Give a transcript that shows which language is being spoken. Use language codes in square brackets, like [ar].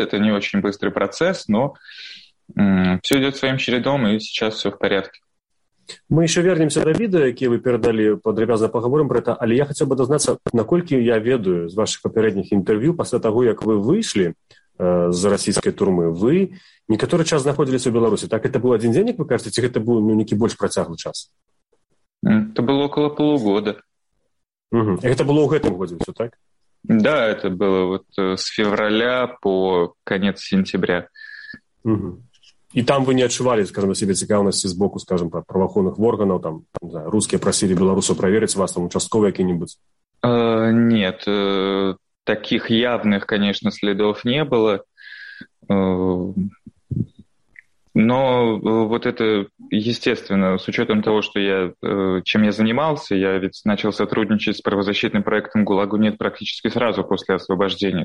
[ru] Это не очень быстрый процесс, но все идет своим чередом, и сейчас все в порядке. Мы еще вернемся до видео, которое вы передали, подробно поговорим про это. Але я хотел бы дознаться, насколько я ведаю из ваших попередних интервью, после того, как вы вышли з расійскай турмы. [be] Вы некаторы час знаходзіліся ў Беларусі. Так, это быў адзін дзень, як вы кажаце, ці гэта быў, ну, некі больш працяглы час? [ru] Это было около полугода. [be] Гэта было ў гэтым годзе ўсё, так? [ru] Да, это было вот з февраля по канец сентября. [be] І там вы не адчувалі, скажам, на сябе цікаўнасці з боку, скажам, праваахоўных органаў, там, не знаю, рускія прасілі беларусаў праверыць вас там участкова які-небудзь? [ru] Нет, таких явных, конечно, следов не было, но вот это, естественно, с учетом того, что я, чем я занимался, я ведь начал сотрудничать с правозащитным проектом «ГУЛАГу нет» практически сразу после освобождения.